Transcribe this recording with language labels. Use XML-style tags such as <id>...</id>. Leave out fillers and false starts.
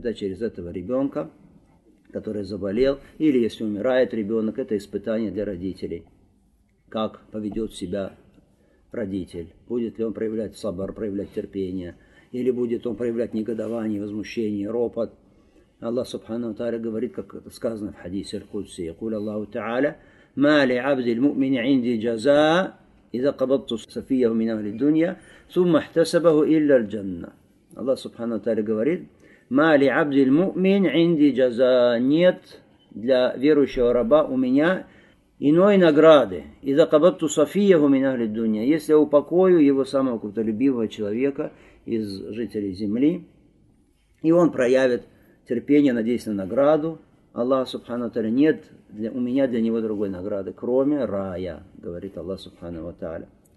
<ru>Да, через этого ребенка, который заболел, или если умирает ребенок, это испытание для родителей. Как поведет себя родитель? Будет ли он проявлять сабр, проявлять терпение? Или будет он проявлять негодование, возмущение, ропот? Аллах Субхана ва Тааля говорит, как это сказано в хадисе Аль-Кудси,</ru> <ar>يقول الله تعالى: ما لعبد المؤمن عندي جزاء إذا قبضت سفيه من أهل الدنيا ثم احتسبه إلا الجنة.</ar> <ru>Аллах Субхана ва Тааля говорит:</ru> <ar>ما لعبد المؤمن عندي جزاء.</ar> <ru>Нет для верующего раба у меня иной награды.</ru> <ar>إذا قبضت سفيه من أهل الدنيا.</ar> <ru>Если я упокою его самого какого-то любимого человека из жителей земли, и он проявит терпение, надеясь на награду Аллаха Субхана ва Тааля, нет для, у меня для него другой награды, кроме рая, говорит Аллах Субхана ва Тааля.</ru>